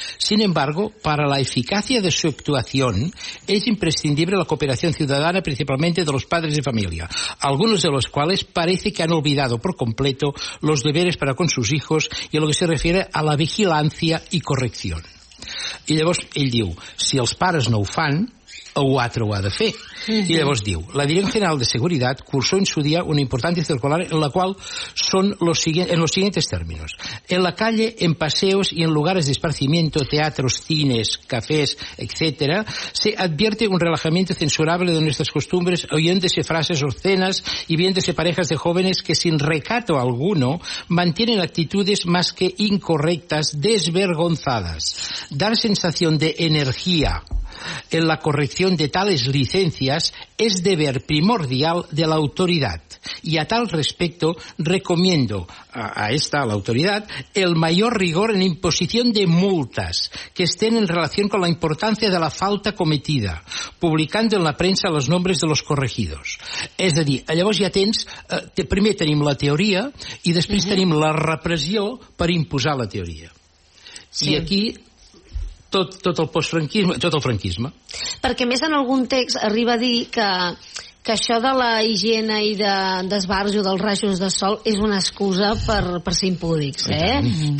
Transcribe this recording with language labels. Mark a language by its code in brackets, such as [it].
[es] Sin embargo, para la eficacia de su actuación es imprescindible la cooperación ciudadana, principalmente de los padres de familia, algunos de los cuales parece que han olvidado por completo los deberes para con sus hijos y a lo que se refiere a la vigilancia y corrección. [ca] I llavors ell diu, si els pares no ho fan, o altre ho ha de fer. Uh-huh. I llavors diu, [es] la Dirección General de Seguridad cursó en su día una importante circular en la cual son los en los siguientes términos. En la calle, en paseos y en lugares de esparcimiento, teatros, cines, cafés, etc., se advierte un relajamiento censurable de nuestras costumbres, oyéndose frases obscenas y viéndose parejas de jóvenes que sin recato alguno mantienen actitudes más que incorrectas, desvergonzadas. Dar sensación de energía en la corrección de tales licencias es deber primordial de la autoridad, y a tal respecto recomiendo a la autoridad el mayor rigor en imposición de multas que estén en relación con la importancia de la falta cometida, publicando en la prensa los nombres de los corregidos. [ca] Es a dir, llavors ja tens, primer tenim la teoria i després uh-huh. tenim la repressió per imposar la teoria. Sí. I aquí tot el postfranquisme, tot el franquisme. Perquè més en algun text arriba a dir que això de la higiene i de d'esbarjo dels rajos de sol és una excusa per ser impúdics, eh? Mm-hmm.